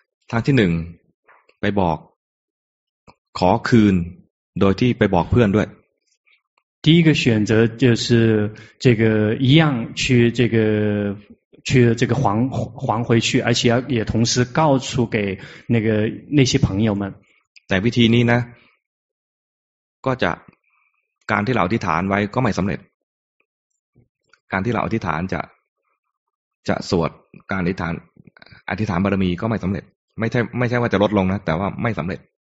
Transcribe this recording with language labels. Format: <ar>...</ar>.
<th>ทางที่หนึ่งไปบอกขอคืนโดยที่ไปบอกเพื่อนด้วย。</th> <zh>第一个选择就是这个一样去这个还回去，而且也同时告诉给那些朋友们。</zh> <th>แต่วิธีนี้นะก็จะการที่เราอธิษฐานไว้ก็ไม่สำเร็จการที่เราอธิษฐานจะสวดการอธิษฐานอธิษฐานบารมีก็ไม่สำเร็จไม่ใช่ว่าจะลดลงนะแต่ว่าไม่สำเร็จ</th>